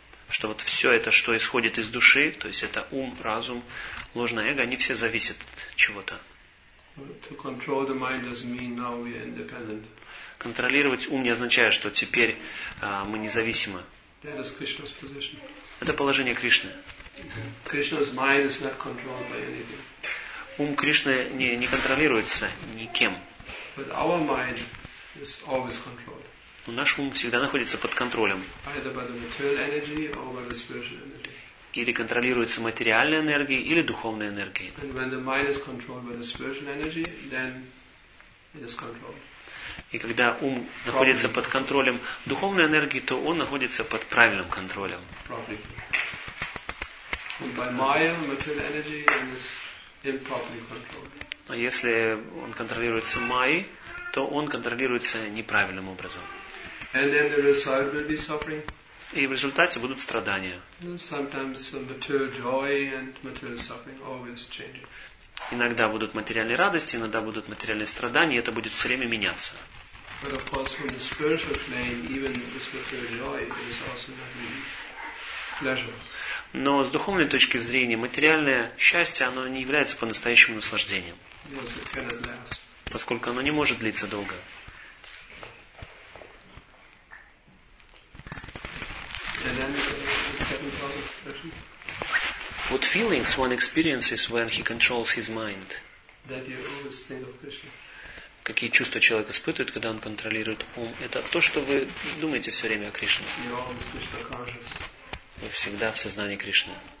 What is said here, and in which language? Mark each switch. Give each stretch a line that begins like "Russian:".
Russian: Что вот все это, что исходит из души, то есть это ум, разум, ложное эго, они все зависят от чего-то.
English: To control the mind doesn't mean now we are independent.
Russian: Контролировать ум не означает, что теперь мы независимы.
English: That is Krishna's position.
Russian: Это положение Кришны.
English: Krishna's mind is not controlled by anything.
Russian: Ум Кришны не контролируется никем.
English: But our mind is always controlled.
Russian: Но наш ум всегда находится под контролем.
English: Either by the material energy or by the spiritual energy.
Russian: Или контролируется материальной энергией, или духовной энергией.
English: And when the mind is controlled by the spiritual energy, then it is controlled.
Russian: И когда ум находится под контролем духовной энергии, то он находится под правильным контролем. Он
English: by Maya, material energy, and is improperly controlled.
Russian: А если он контролируется Майей, то он контролируется неправильным образом.
English: And then the result will be suffering.
Russian: И в результате будут страдания.
English: Sometimes material joy and material suffering always changing.
Russian: Иногда будут материальные радости, иногда будут материальные страдания, и это будет все время меняться.
English: But of course, from the spiritual plane, even this material joy is also not really pleasure.
Russian: Но с духовной точки зрения материальное счастье, оно не является по-настоящему наслаждением.
English: Yes, it cannot last.
Russian: Поскольку оно не может длиться долго.
English: And then the second part of the question. What feelings one experiences when he controls his mind? That you always think of Krishna.
Russian: Какие чувства человек испытывает, когда он контролирует ум? Это то, что вы думаете все время о Кришне.
English: You always Krishna conscious.
Russian: Вы всегда в сознании Кришны.